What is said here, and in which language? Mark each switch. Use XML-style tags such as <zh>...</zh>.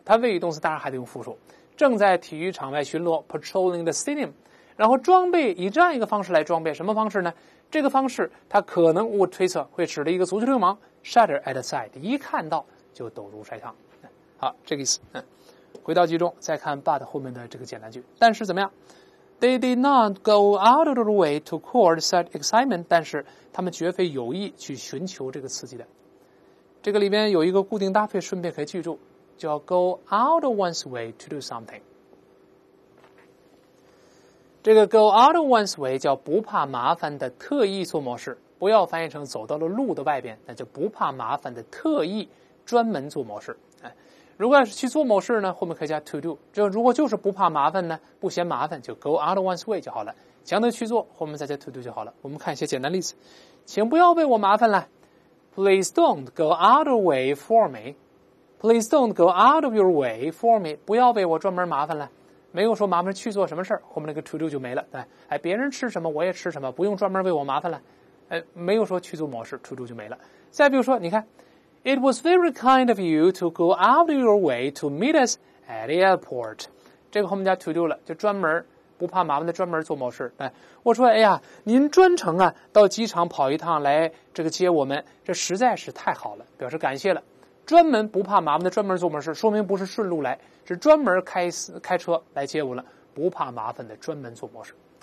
<zh>它谓语动词当然还得用复数。正在体育场外巡逻 ，</zh> <en>patrolling the stadium，</en> <zh>然后装备以这样一个方式来装备，什么方式呢？这个方式它可能我推测会使得一个足球流氓。</zh> <en>Shudder at the sight，</en> <zh>一看到就抖如筛糠。好，这个意思。回到集中，再看 but 后面的这个简单句。但是怎么样</zh> <en>？They did not go out of their way to court such excitement。</en> <zh>但是他们绝非有意去寻求这个刺激的。这个里边有一个固定搭配，顺便可以记住，叫</zh> <en>go out of one's way to do something。</en> <zh>这个</zh> <en>go out of one's way</en> <zh>叫不怕麻烦的特意做某事。不要翻译成走到了路的外边，那就不怕麻烦的特意专门做某事。如果要是去做某事呢，后面可以加 to do， 就如果就是不怕麻烦呢，不嫌麻烦，就</zh> <en>go out of one's way</en> <zh>就好了，强得去做，后面再加 to do 就好了。我们看一些简单例子。请不要为我麻烦了，</zh> <en>Please don't go out of way for me， Please don't go out of your way for me，</en> <zh>不要为我专门麻烦了。没有说麻烦去做什么事，后面那个 to do 就没了。哎，别人吃什么我也吃什么，不用专门为我麻烦了。没有说去做某事，出租就没了。再比如说，你看</zh> <en>，It was very kind of you to go out of your way to meet us at the airport。</en> <zh>这个后面加 to do 了，就专门不怕麻烦的专门做某事。我说，哎呀，您专程啊到机场跑一趟来这个接我们，这实在是太好了，表示感谢了。专门不怕麻烦的专门做某事，说明不是顺路来，是专门开车来接我了，不怕麻烦的专门做某事。</zh>